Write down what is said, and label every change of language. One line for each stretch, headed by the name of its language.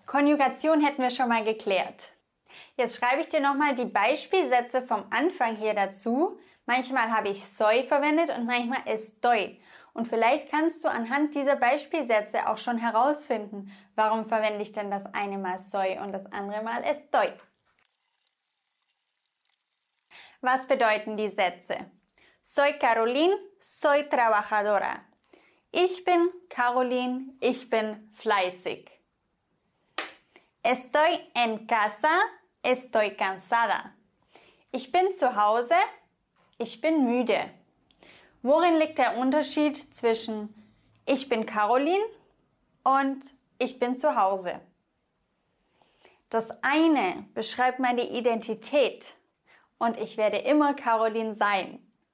German: Konjugation hätten wir schon mal geklärt. Jetzt schreibe ich dir nochmal die Beispielsätze vom Anfang hier dazu. Manchmal habe ich soy verwendet und manchmal estoy. Und vielleicht kannst du anhand dieser Beispielsätze auch schon herausfinden, warum verwende ich denn das eine Mal soy und das andere Mal estoy. Was bedeuten die Sätze?
Spanish: Soy Caroline, soy trabajadora.
German: Ich bin Caroline, ich bin fleißig.
Spanish: Estoy en casa, estoy cansada.
German: Ich bin zu Hause, ich bin müde. Worin liegt der Unterschied zwischen ich bin Caroline und ich bin zu Hause? Das eine beschreibt meine Identität und ich werde immer Caroline sein.